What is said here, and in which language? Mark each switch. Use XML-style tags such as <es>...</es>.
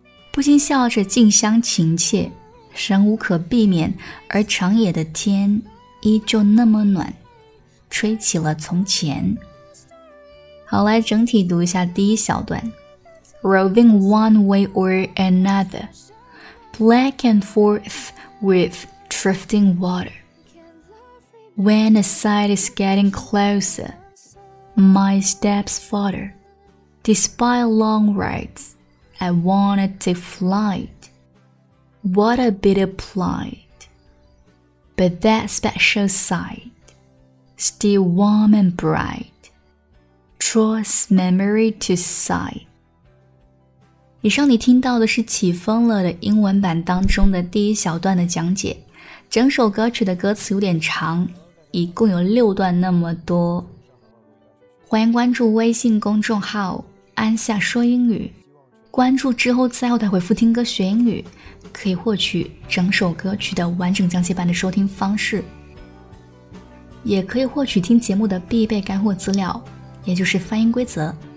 <zh>不禁笑着近乡情怯，神无可避免，而长野的天依旧那么暖，吹起了从前。好，来整体读一下第一小段</zh> <en>Roving one way or another Black and forth with drifting water When the sight is getting closer My steps farther Despite long rides I wanted to flight What a bitter plight But that special sight Still warm and brightDraws memory to sight.</en> <zh>以上你听到的是起风了的英文版当中的第一小段的讲解。整首歌曲的歌词有点长，一共有六段那么多。欢迎关注微信公众号安夏说英语，关注之后在后台回复听歌学英语，可以获取整首歌曲的完整讲解版的收听方式，也可以获取听节目的必备干货资料，也就是发音规则。</zh>